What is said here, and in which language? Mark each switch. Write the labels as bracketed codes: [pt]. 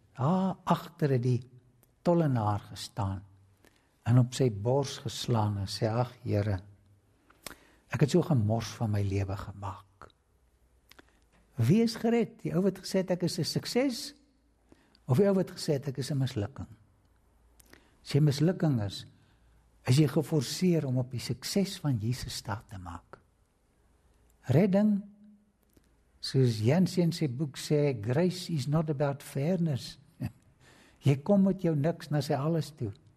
[af] Daar agter die tollenaar gestaan en op sy bors geslaan en sê, ag Here, ek het so gemors van my lewe gemaak. Wie is gered? Die ou wat gesê het ek is 'n sukses of die ou wat gesê het ek is 'n mislukking? As jy mislukking is, is jy geforseer om op die sukses van Jesus staat te maak. Redding, soos Jansen in sy boek sê, [en] grace is not about fairness. [af] Jy kom met jou niks na sy alles toe.